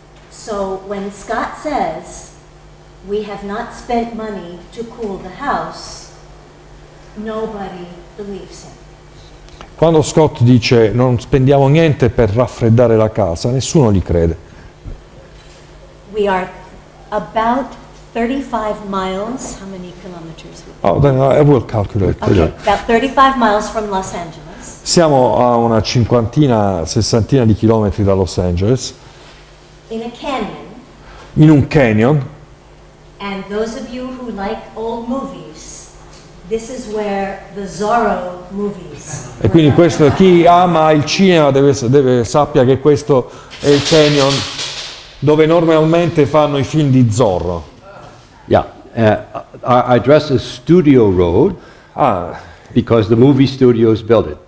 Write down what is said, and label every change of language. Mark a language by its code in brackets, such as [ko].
[en] So when Scott says we have not spent money to cool the house, nobody believes him. [it] Quando Scott dice non spendiamo niente per raffreddare la casa, nessuno gli crede. [en] We are about 35 miles, how many kilometers? Oh, then I will calculate. Okay, about 35 miles from Los Angeles. [it] Siamo a una cinquantina, sessantina di chilometri da Los Angeles. [en] In a canyon. [it] In un canyon. [en] And those of you who like old movies, this is where the Zorro movies. [it] E quindi questo chi ama il cinema deve sappia che questo è il canyon dove normalmente fanno i film di Zorro. [en] Yeah, our address is Studio Road. Ah, because the movie studios built it.